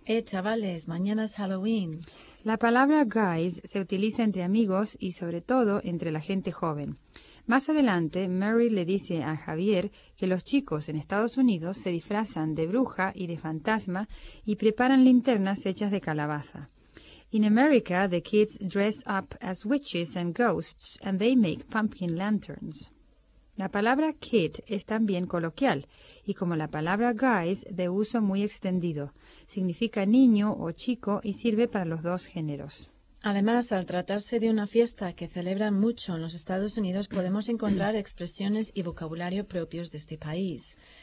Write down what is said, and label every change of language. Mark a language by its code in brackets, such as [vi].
[es] Chavales, mañana es Halloween. La palabra guys se utiliza entre amigos y sobre todo entre la gente joven. Más adelante, Mary le dice a Javier que los chicos en Estados Unidos se disfrazan de bruja y de fantasma y preparan linternas hechas de calabaza. [en] In America, the kids dress up as witches and ghosts and they make pumpkin lanterns. [es] La palabra kid es también coloquial y como la palabra guys de uso muy extendido. Significa niño o chico y sirve para los dos géneros. Además, al tratarse de una fiesta que celebran mucho en los Estados Unidos, podemos encontrar expresiones y vocabulario propios de este país.